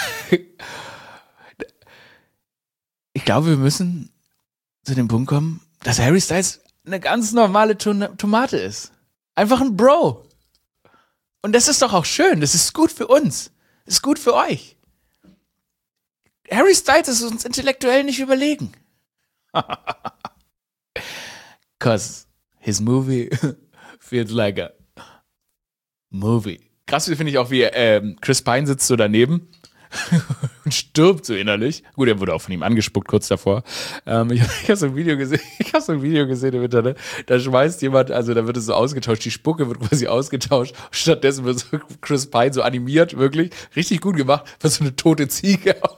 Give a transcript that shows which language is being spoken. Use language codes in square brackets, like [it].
[de] Ich glaube, wir müssen zu dem Punkt kommen, dass Harry Styles eine ganz normale Tomate ist. Einfach ein Bro. Und das ist doch auch schön. Das ist gut für uns. Das ist gut für euch. Harry Styles ist uns intellektuell nicht überlegen. [en] Cause his movie feels like a movie. [de] Krass finde ich auch, wie Chris Pine sitzt so daneben und stirbt so innerlich. Gut, er wurde auch von ihm angespuckt kurz davor. Ich habe so ein Video gesehen im Internet. Da schmeißt jemand, also da wird es so ausgetauscht, die Spucke wird quasi ausgetauscht. Stattdessen wird so Chris Pine so animiert, wirklich richtig gut gemacht, für so eine tote Ziege.